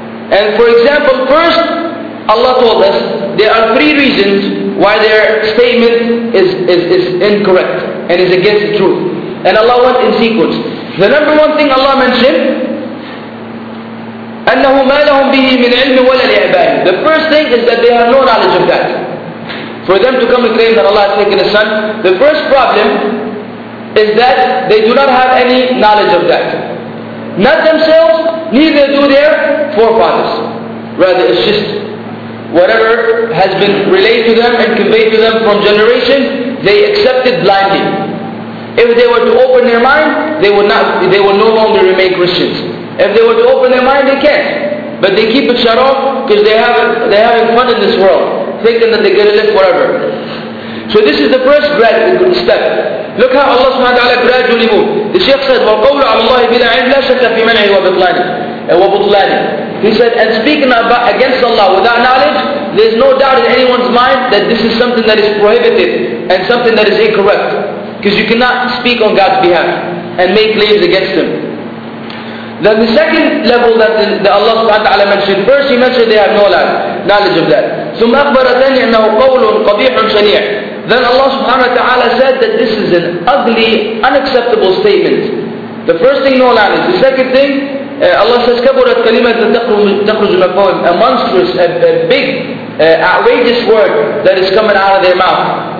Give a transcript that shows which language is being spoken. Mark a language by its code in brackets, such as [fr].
[en] And for example, first Allah told us there are three reasons why their statement is incorrect and is against the truth. And Allah went in sequence. The number one thing Allah mentioned, [ar] أَنَّهُ مَا لَهُمْ بِهِ مِنْ عِلْمِ وَلَا لِعْبَانِ. [en] The first thing is that they have no knowledge of that. For them to come and claim that Allah has taken a son, the first problem is that they do not have any knowledge of that. Not themselves, neither do their forefathers. Rather, it's just whatever has been relayed to them and conveyed to them from generation, they accepted blindly. If they were to open their mind, they will no longer remain Christians. If they were to open their mind, they can't. But they keep it shut off because they're having fun in this world, thinking that they're going to live forever. So this is the first gradual step. Look how Allah subhanahu wa ta'ala gradually moved. The Shaykh said, [ar] وَالْقَوْلُ عَلَى اللَّهِ بِلَا عِلْمٍ لَا شَكَّ فِي مَنْعِهِ وَبِطْلَانِهِ. [en] He said, and speaking about against Allah without knowledge, there's no doubt in anyone's mind that this is something that is prohibited and something that is incorrect. Because you cannot speak on God's behalf and make claims against Him. Then the second level that the Allah subhanahu wa ta'ala mentioned, first He mentioned they have no knowledge of that. [ar] ثُمْ أَخْبَرَ ثَانِيَ أَنَّهُ قَوْلٌ قَبِيحٌ شَنِيعٌ. [en] Then Allah subhanahu wa ta'ala said that this is an ugly, unacceptable statement. The first thing, no knowledge. The second thing, Allah says, [ar] كَبُرَتْ كَلِمَةً تَخْرُجُ مِنْ أَفْوَاهِهِمْ. [en] A monstrous, a big, outrageous word that is coming out of their mouth.